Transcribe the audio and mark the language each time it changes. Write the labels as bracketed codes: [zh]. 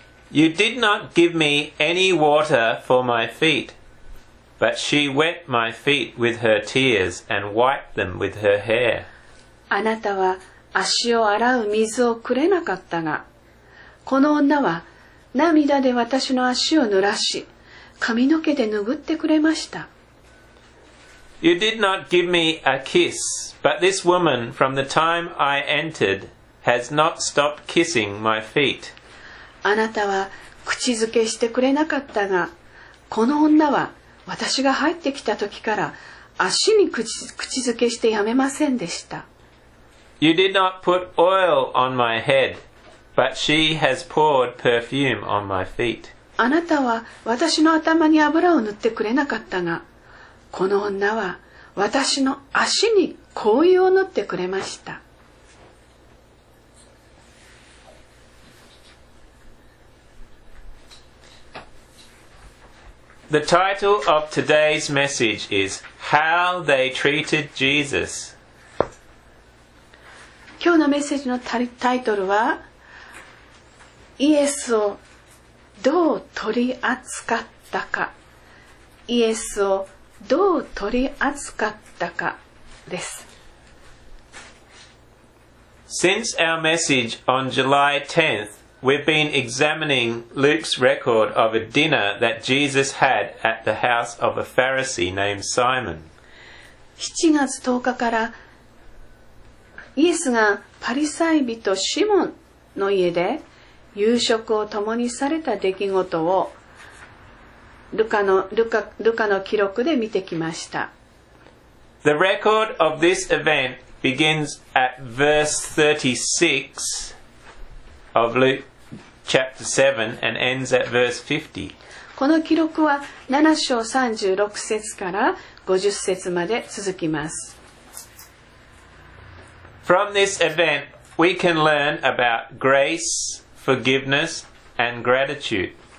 [en] You did not give me any water for my feet, but she wet my feet with her tears and wiped them with her hair. [ja] あなたは足を洗う水をくれなかったが、この女は涙で私の足を濡らし、髪の毛で拭ってくれました。 [en] You did not give me a kiss, but this woman from the time I entered has not stopped kissing my feet. [ja] あなたは口づけしてくれなかったが、この女は私が入ってきた時から足に口づけしてやめませんでした。 [en] You did not put oil on my head, but she has poured perfume on my feet. [ja] あなたは私の頭に油を塗ってくれなかったが、この女は私の足に香油を塗ってくれました。 [en] The title of today's message is How They Treated Jesus. [ja] 今日のメッセージのタイトルはイエスをどう取り扱ったか。イエスをどう取り扱ったかです。 [en] Since our message on July 10th,We've been examining Luke's record of a dinner that Jesus had at the house of a Pharisee named Simon. [ja] 7月10日からイエスがパリサイ人シモンの家で夕食を共にされた出来事をルカの記録で見てきました。 [en] The record of this event begins at verse 36 of Luke. Chapter 7 and ends at verse 50. [ja] この記録は7章36節から50節まで続きます。 [en] From this event, we can learn about grace, forgiveness, and gratitude.